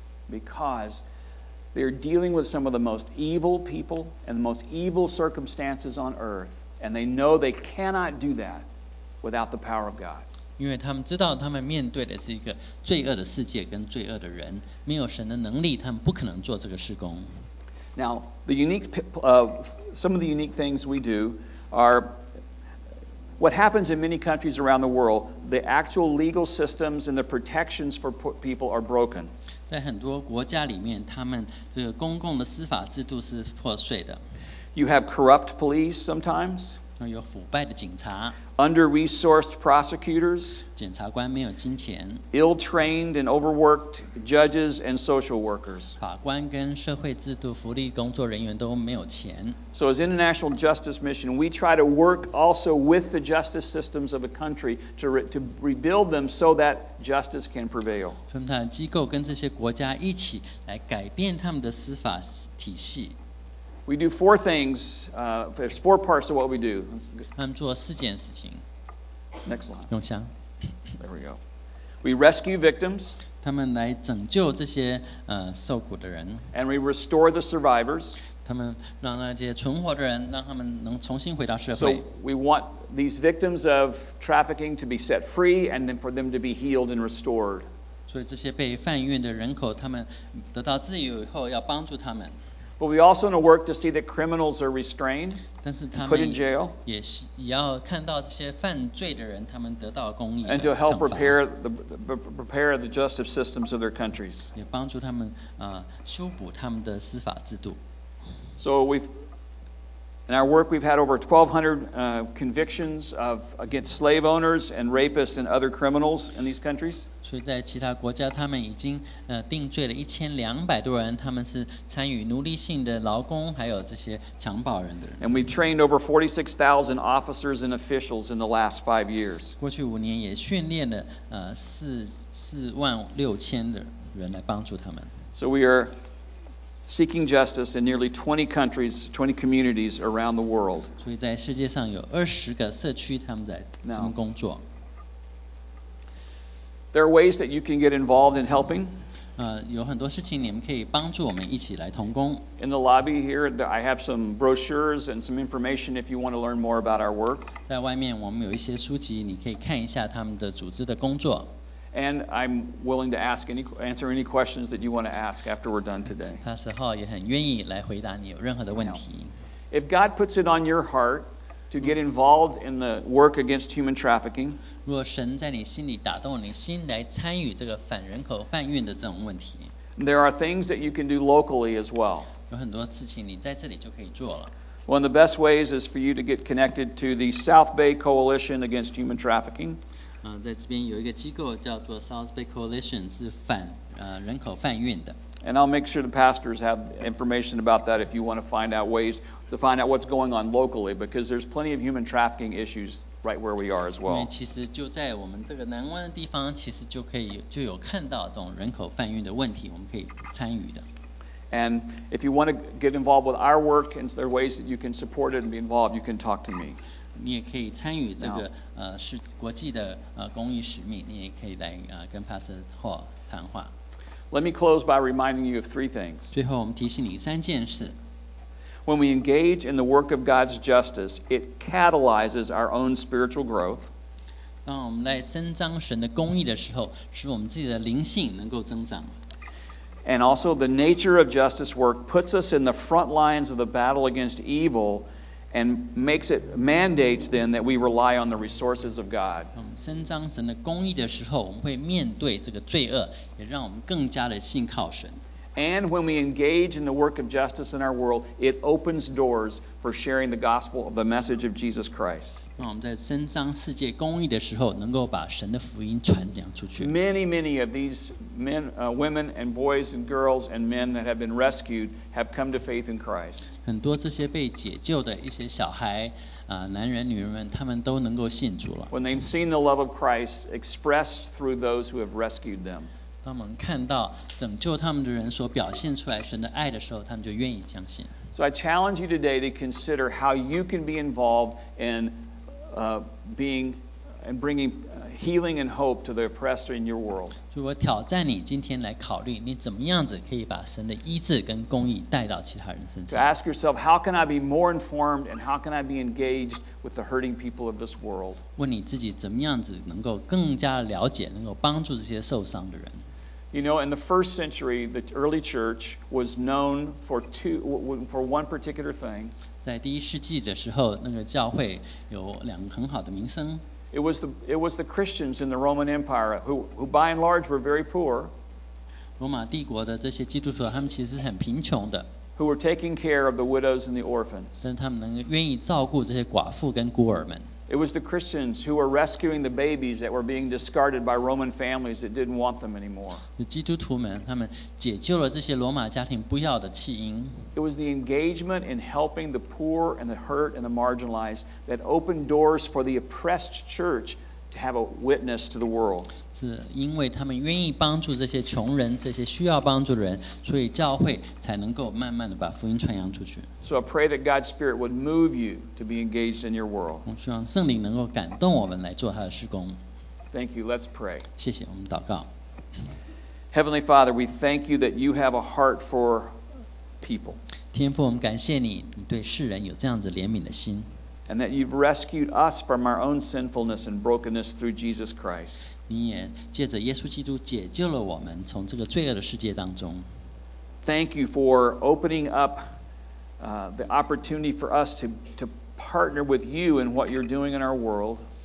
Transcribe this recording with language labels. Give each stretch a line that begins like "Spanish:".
English: Because they're dealing with some of the most evil people and the most evil circumstances on earth, and they know they cannot do that. Without the power of God.
Chinese: 因为他们知道他们面对的是一个罪恶的世界跟罪恶的人，没有神的能力，他们不可能做这个事工。
English: Now, the unique, some of the unique things we do are what happens in many countries around the world. The actual legal systems and the protections for people are broken.
Chinese: 在很多国家里面，他们这个公共的司法制度是破碎的。
English: You have corrupt police sometimes.
Chinese: 有腐败的警察
English: under-resourced prosecutors,
Chinese: 检察官没有金钱
English: ill-trained and overworked judges and social workers,
Chinese: 法官跟社会制度福利工作人员都没有钱
English: So as International Justice Mission, we try to work also with the justice systems of a country to rebuild them so that justice can prevail.
Chinese: 他们的机构跟这些国家一起来改变他们的司法体系。
English: We do four things, there's four parts of what we do.
Chinese: 他们做四件事情。
English: Next line.
Chinese: 用香。
English: There we go. We rescue victims.
Chinese: 他们来拯救这些受苦的人。
English: And we restore the survivors.
Chinese: 他们让那些存活的人，让他们能重新回到社会。
English: So we want these victims of trafficking to be set free and then for them to be healed and restored.
Chinese: 所以这些被贩运的人口，他们得到自由以后，要帮助他们。
English: But we also want to work to see that criminals are restrained and put in jail.
Chinese: 也要看到这些犯罪的人，他们得到公义。
English: And to help prepare the justice systems of their countries.
Chinese: 也帮助他们修补他们的司法制度。
English: So in our work, we've had over 1,200 convictions against slave owners and rapists and other criminals in these countries.
Chinese: 所以在其他国家，他们已经定罪了1,200多人，他们是参与奴隶性的劳工，还有这些强暴人的人。
English: And we've trained over 46,000 officers and officials in the last 5 years.
Chinese: 过去五年也训练了46,000的人来帮助他们。
English: So we are. Seeking justice in nearly 20 countries, 20 communities around the world.
Chinese: 所以在世界上有二十个社区，他们在什么工作
English: ？There are ways that you can get involved in helping.
Chinese: 有很多事情你们可以帮助我们一起来同工。
English: In the lobby here, I have some brochures and some information if you want to learn more about our work.
Chinese: 在外面我们有一些书籍，你可以看一下他们的组织的工作。
English: And I'm willing to ask any, answer any questions that you want to ask after we're done today.
Chinese: Pastor Hall 也很愿意来回答你有任何的问题。
English: If God puts it on your heart to get involved in the work against human trafficking,
Chinese: 若神在你心里打动你心来参与这个反人口贩运的这种问题。
English: There are things that you can do locally as well.
Chinese: 有很多事情你在这里就可以做了。
English: One of the best ways is for you to get connected to the South Bay Coalition Against Human Trafficking.
Chinese: 在这边有一个机构叫做 South Bay Coalition, 是反人口贩运的。
English: And I'll make sure the pastors have information about that if you want to find out ways to find out what's going on locally, because there's plenty of human trafficking issues right where we are as well.
Chinese: 因为其实就在我们这个南湾的地方，其实就可以就有看到这种人口贩运的问题，我们可以参与的。
English: And if you want to get involved with our work and there are ways that you can support it and be involved, you can talk to me.
Chinese: 你也可以参与这个是国际的公益使命，你也可以来跟 Pastor Hall 谈话。
English: Let me close by reminding you of three things.
Chinese: 最后我们提醒你三件事。
English: When we engage in the work of God's justice, it catalyzes our own spiritual growth.
Chinese: 当我们来伸张神的公益的时候，使我们自己的灵性能够增长。
English: And also the nature of justice work puts us in the front lines of the battle against evil and makes it mandates then that we rely on the resources of God.
Chinese: 伸张神的公义的时候，我们会面对这个罪恶，也让我们更加的信靠神。
English: And when we engage in the work of justice in our world, it opens doors for sharing the gospel of the message of Jesus Christ.
Chinese: 让我们在伸张世界公义的时候，能够把神的福音传扬出去。
English: Many, many of these men, women and boys and girls and men that have been rescued have come to faith in Christ.
Chinese: 很多这些被解救的一些小孩男人女人们他们都能够信主了。
English: When they've seen the love of Christ expressed through those who have rescued them.
Chinese: 当我们看到拯救他们的人所表现出来神的爱的时候，他们就愿意相信。
English: So I challenge you today to consider how you can be involved in being and bringing healing and hope to the oppressed in your world.
Chinese: 所以我挑战你今天来考虑，你怎么样子可以把神的医治跟公义带到其他人身上。
English: To ask yourself, how can I be more informed and how can I be engaged with the hurting people of this world?
Chinese: 问你自己怎么样子能够更加了解，能够帮助这些受伤的人。
English: You know, in the first century, the early church was known for one particular thing.
Chinese: 在第一世纪的时候，那个教会有两个很好的名声。
English: It was the Christians in the Roman Empire who by and large were very poor.
Chinese: 罗马帝国的这些基督徒，他们其实是很贫穷的。
English: Who were taking care of the widows and the orphans.
Chinese: 但是他们能愿意照顾这些寡妇跟孤儿们。
English: It was the Christians who were rescuing the babies that were being discarded by Roman families that didn't want them anymore.
Chinese: 基督徒们，他们解救了这些罗马家庭不要的弃婴。
English: It was the engagement in helping the poor and the hurt and the marginalized that opened doors for the oppressed church to have a witness to the world.
Chinese: 是因为他们愿意帮助这些穷人，这些需要帮助的人，所以教会才能够慢慢的把福音传扬出去。
English: So I pray that God's Spirit would move you to be engaged in your world.
Chinese: 我希望圣灵能够感动我们来做他的事工。
English: Thank you. Let's pray.
Chinese: 谢谢，我们祷告。
English: Heavenly Father, we thank you that you have a heart for people.
Chinese: 天父，我们感谢你，你对世人有这样子怜悯的心。
English: And that you've rescued us from our own sinfulness and brokenness through Jesus Christ.
Chinese: 你也借着耶稣基督解救了我们从这个罪恶的世界当中。
English: Thank you for opening up the opportunity for us to partner with you in what you're doing in our world.